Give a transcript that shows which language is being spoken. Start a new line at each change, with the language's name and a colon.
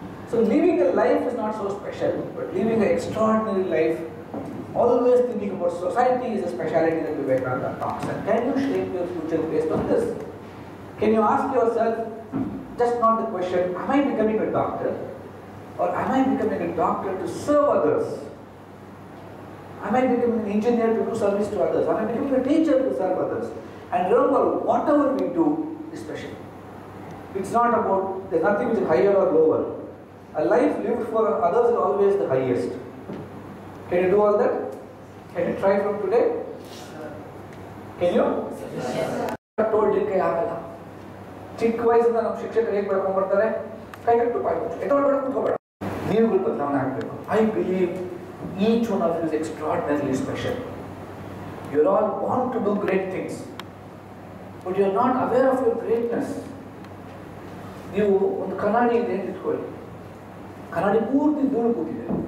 English: So living a life is not so special, but living a extraordinary life, always thinking about society is a speciality that you ಬೇಕಾದ talks. Can you shape your future based on this? Can you ask yourself just not the question, am I becoming a doctor? Or am I becoming a doctor to serve others? Am I becoming an engineer to do service to others? Am I becoming a teacher to serve others? And remember, whatever we do is special. It's not about, there's nothing which is higher or lower. A life lived for others is always the highest. Can you do all that? Can you try from today? Can you? Yes, sir. I told you, you can't. Think wise, you can't teach yourself. You can't teach yourself.
Kannada: ನೀವುಗಳು ಬದಲಾವಣೆ ಆಗಬೇಕು.
English: I believe each one of us extraordinary special. You are all want to do great things, but you are not aware of your greatness.
Kannada: ನೀವು ಒಂದು ಕನ್ನಡಿ ಇದೆ ಅಂತ ಇಟ್ಕೊಳ್ಳಿ, ಕನ್ನಡಿ ಪೂರ್ತಿ ದೂರು ಕೂತಿದೆ.